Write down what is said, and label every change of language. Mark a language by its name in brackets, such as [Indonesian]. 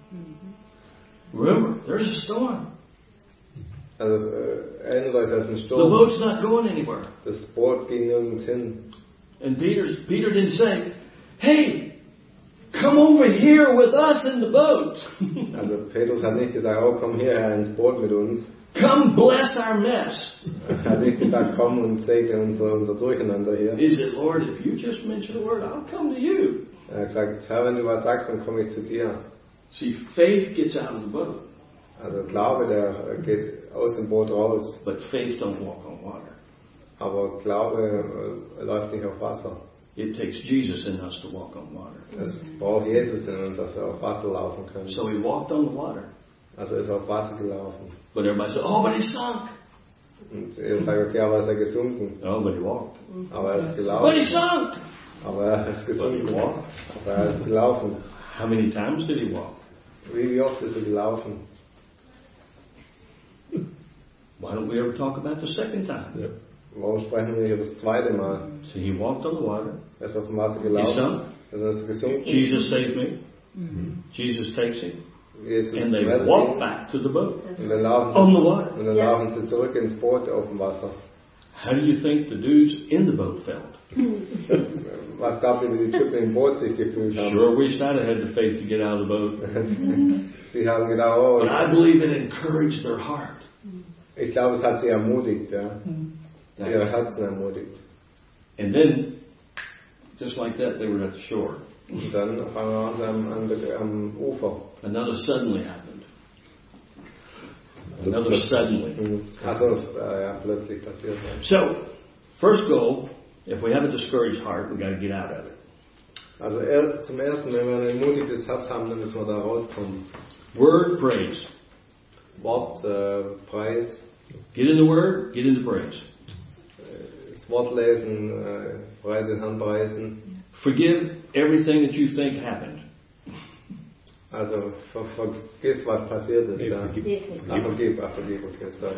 [English] Mm-hmm. Remember, there's a storm. Also, anyways, there's a storm. The boat's not going anywhere. [German] Das Boot ging nirgends hin. [English] And Peter didn't say, hey, come over here with us in the boat. [German] Also Petrus hat nicht gesagt, oh, komm hier ins Boot mit uns. [English] Come bless our mess. [German] Er hat nicht gesagt, komm und segne unser Durcheinander hier. [English] He said, Lord, if you just mention the word, I'll come to you. [German] Er hat gesagt, Herr, wenn du was sagst, dann komme ich zu dir. [English] See, faith gets out of the boat. [German] Also Glaube, der geht aus dem Boot raus. [English] But faith don't walk on water. [German] Aber Glaube läuft nicht auf Wasser. [English] It takes Jesus in us to walk on water. [German] Es braucht Jesus in uns, dass wir auf Wasser laufen können. [English] So he walked on the water. [German] Also ist auf Wasser gelaufen. [English] But everybody said, oh, but he sunk. [German] Und er sagt, okay, aber ist er gesunken. [English] Oh, but he walked. [German] Aber er ist gelaufen. [English] But he sunk. [German] Aber er ist gesunken. [English] But he walked. [German] Aber er ist gelaufen. [English] How many times did he walk? [German] Wie oft ist er gelaufen? [English] Why don't we ever talk about the second time? Yep. [German] Warum sprechen wir hier das zweite Mal? [English] So he walked on the water. [German] Er ist auf dem Wasser gelaufen. [English] He sunk. [German] Er ist gesunken. [English] Jesus saved me. Mm-hmm. Jesus takes him. Jesus and they walk back to the boat. [German] Und dann laufen [English] on the water. [German] Und dann laufen sie zurück ins Boot auf dem Wasser. [English] How do you think the dudes in the boat felt? [German] Was glaubt ihr, wie die Typen im Boot sich gefühlt haben? [English] Sure, we should have had the faith to get out of the boat. [German] Sie haben gedacht, oh. [English] But I believe it encouraged their heart. [German] Ich glaube, es hat sie ermutigt, ja. Ihr Herz ermutigt. [English] And then, just like that, they were at the shore. [German] Und dann fangen wir am Ufer. [English] Another suddenly happened. Another suddenly. [German] Also, ja, plötzlich passiert. [English] So, first goal, if we have a discouraged heart, we've got to get out of it. [German] Also, zum Ersten, wenn wir ein ermutigtes Herz haben, dann müssen wir da rauskommen. [English] Word, praise. [German] Wort, praise. [English] Get in the word, get in the praise. [German] Wort lesen, den Herrn preisen. [English] Forgive everything that you think happened. [German] Also vergiss, was passiert ist. Vergib, okay, sorry.